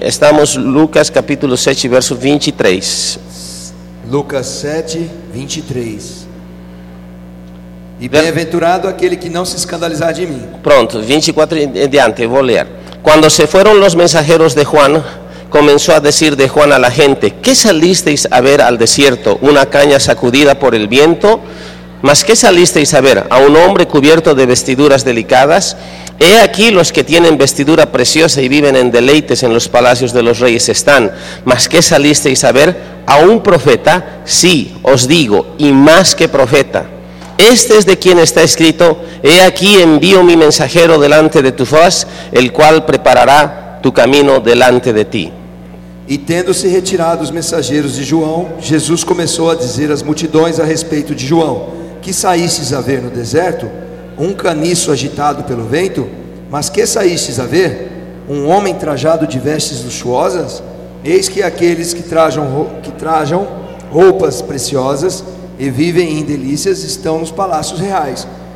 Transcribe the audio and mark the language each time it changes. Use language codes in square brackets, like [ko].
[pt] Estamos em Lucas, capítulo 7, verso 23. Lucas 7, 23. E bem-aventurado aquele que não se escandalizar de mim. Pronto, 24 em diante, vou ler. Quando se foram os mensageiros de Juan... [es] Comenzó a decir de Juan a la gente, ¿qué salisteis a ver al desierto? ¿Una caña sacudida por el viento? ¿Mas qué salisteis a ver? ¿A un hombre cubierto de vestiduras delicadas? He aquí los que tienen vestidura preciosa y viven en deleites en los palacios de los reyes están. ¿Mas qué salisteis a ver? ¿A un profeta? Sí, os digo, y más que profeta. Este es de quien está escrito, he aquí envío mi mensajero delante de tu faz, el cual preparará tu caminho delante de ti. [pt] E tendo-se retirado os mensageiros de João, Jesus começou a dizer às multidões a respeito de João, que saístes a ver no deserto? Um caniço agitado pelo vento? Mas que saístes a ver? Um homem trajado de vestes luxuosas? Eis que aqueles que trajam roupas preciosas e vivem em delícias estão nos palácios reais.